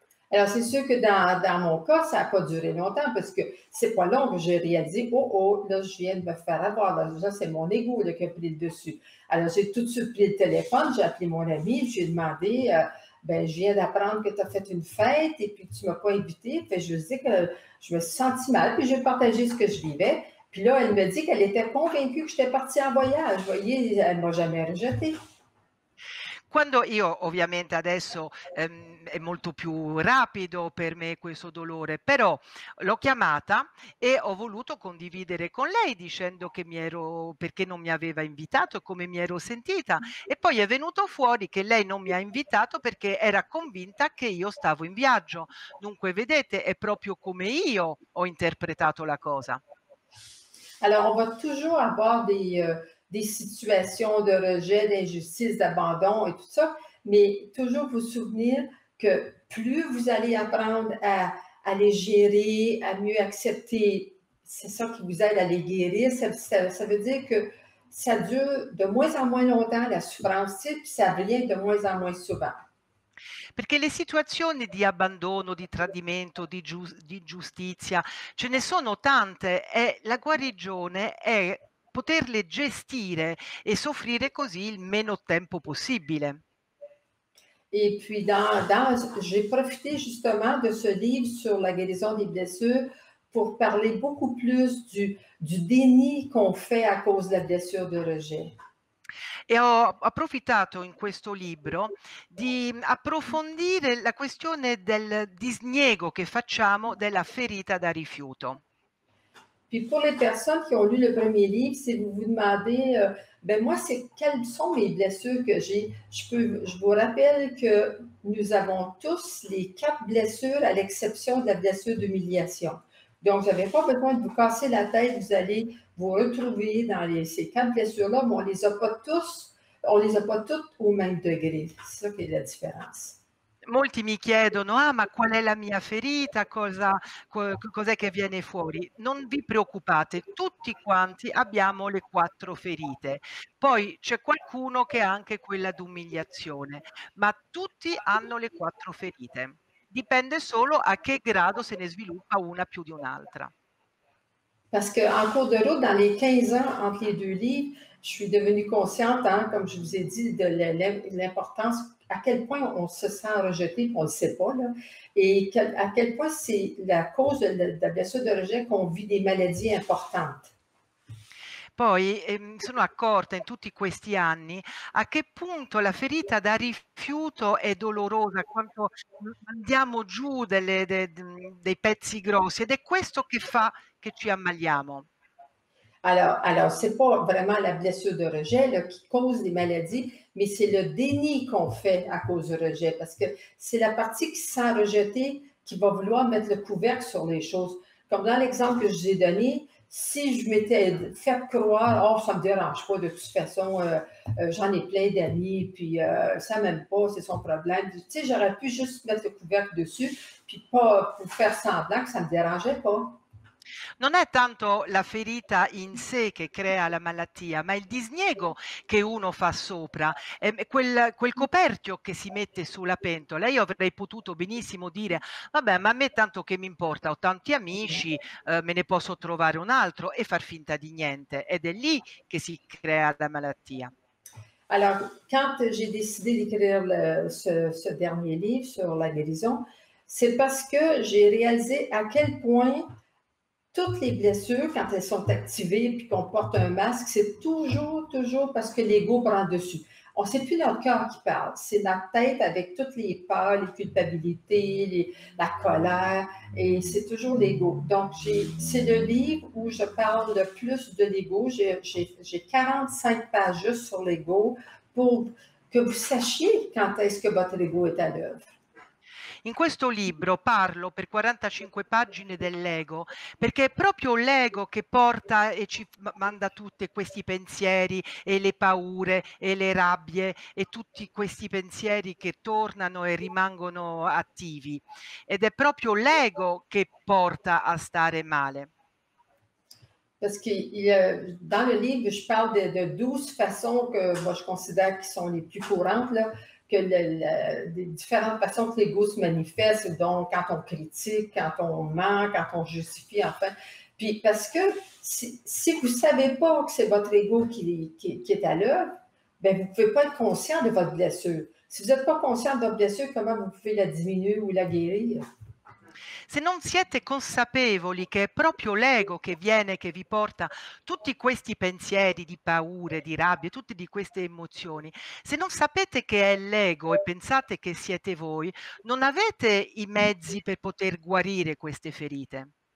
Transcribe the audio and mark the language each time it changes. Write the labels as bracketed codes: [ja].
[fr] Allora, c'est sûr que dans mon cas, ça n'a pas duré longtemps parce que c'est pas long que j'ai réalisé, oh, là, je viens de me faire avoir. Là, ça, c'est mon ego là, qui a pris le dessus. Alors, j'ai tout de suite pris le téléphone, j'ai appelé mon ami, je lui ai demandé, ben, je viens d'apprendre que tu as fait une fête et puis que tu ne m'as pas invité. Fait, je dis que je me suis sentie mal, puis j'ai partagé ce que je vivais. Puis là, elle me dit qu'elle était convaincue que j'étais partie en voyage. Vous voyez, elle ne m'a jamais rejetée. [it] Quando io ovviamente adesso è molto più rapido per me questo dolore, però l'ho chiamata e ho voluto condividere con lei dicendo che perché non mi aveva invitato, come mi ero sentita e poi è venuto fuori che lei non mi ha invitato perché era convinta che io stavo in viaggio. Dunque vedete, è proprio come io ho interpretato la cosa. [fr] Allora, on va toujours avoir des situations de rejet, d'injustice, d'abandon et tout ça, mais toujours vous souvenir que plus vous allez apprendre à les gérer, à mieux accepter, c'est ça qui vous aide à les guérir, ça veut dire que ça dure de moins en moins longtemps la souffrance, puis ça vient de moins en moins souvent. [it] Perché le situazioni di abbandono, di tradimento, di giustizia, ce ne sono tante e la guarigione è poterle gestire e soffrire così il meno tempo possibile. [fr] Et puis j'ai profité justement de ce livre sur la guérison des blessures pour parler beaucoup plus du déni qu'on fait à cause de la blessure de rejet. [it] E ho approfittato in questo libro di approfondire la questione del disniego che facciamo della ferita da rifiuto. [fr] Puis pour les personnes qui ont lu le premier livre, si vous vous demandez, ben moi, c'est quelles sont mes blessures que j'ai, je vous rappelle que nous avons tous les quatre blessures à l'exception de la blessure d'humiliation. Donc, vous n'avez pas besoin de vous casser la tête, vous allez vous retrouver dans ces quatre blessures-là, mais on les a pas toutes au même degré. C'est ça qui est la différence. [it] Molti mi chiedono, ah, ma qual è la mia ferita, cos'è che viene fuori? Non vi preoccupate, tutti quanti abbiamo le quattro ferite. Poi c'è qualcuno che ha anche quella d'umiliazione, ma tutti hanno le quattro ferite. Dipende solo a che grado se ne sviluppa una più di un'altra. [fr] Parce que en cours de route, dans les 15 ans entre les deux livres, je suis devenue consciente, hein, comme je vous ai dit, de l'importance, à quel point on se sent rejeté, on ne le sait pas, là, et à quel point c'est la cause de la blessure de rejet qu'on vit des maladies importantes. [it] Poi sono accorta in tutti questi anni a che punto la ferita da rifiuto è dolorosa, quanto andiamo giù dei pezzi grossi ed è questo che fa che ci ammaliamo. [fr] Alors c'est pas vraiment la blessure de rejet là, qui cause les maladies, mais c'est le déni qu'on fait à cause du rejet, parce que c'est la partie qui sent rejetée qui va vouloir mettre le couvercle sur les choses. Comme dans l'exemple que je vous ai donné, si je m'étais fait croire, oh, ça ne me dérange pas, de toute façon, j'en ai plein d'amis, puis ça ne m'aime pas, c'est son problème. Tu sais, j'aurais pu juste mettre le couvercle dessus, puis pas pour faire semblant que ça ne me dérangeait pas. [it] Non è tanto la ferita in sé che crea la malattia, ma il disniego che uno fa sopra, quel coperchio che si mette sulla pentola. Io avrei potuto benissimo dire, vabbè, ma a me tanto che mi importa, ho tanti amici, me ne posso trovare un altro, e far finta di niente. Ed è lì che si crea la malattia. [fr] Alors, quand j'ai décidé d'écrire ce dernier livre sur la guérison, c'est parce que j'ai réalisé à quel point toutes les blessures, quand elles sont activées puis qu'on porte un masque, c'est toujours, toujours parce que l'ego prend dessus. On sait plus notre cœur qui parle, c'est notre tête avec toutes les peurs, les culpabilités, la colère, et c'est toujours l'ego. Donc, c'est le livre où je parle le plus de l'ego. J'ai 45 pages juste sur l'ego pour que vous sachiez quand est-ce que votre ego est à l'œuvre. [it] In questo libro parlo per 45 pagine dell'ego, perché è proprio l'ego che porta e ci manda tutti questi pensieri e le paure e le rabbie e tutti questi pensieri che tornano e rimangono attivi. Ed è proprio l'ego che porta a stare male. [fr] Parce que dans le libro je parle de 12 façons che je [it] considero che sono le più [fr] courantes là. Que les différentes façons que l'ego se manifeste, donc quand on critique, quand on ment, quand on justifie, enfin. Puis parce que si vous ne savez pas que c'est votre ego qui est à l'œuvre, bien vous ne pouvez pas être conscient de votre blessure. Si vous n'êtes pas conscient de votre blessure, comment vous pouvez la diminuer ou la guérir? [it] Se non siete consapevoli che è proprio l'ego che viene, che vi porta tutti questi pensieri di paure, di rabbia, tutte di queste emozioni, se non sapete che è l'ego e pensate che siete voi, non avete i mezzi per poter guarire queste ferite.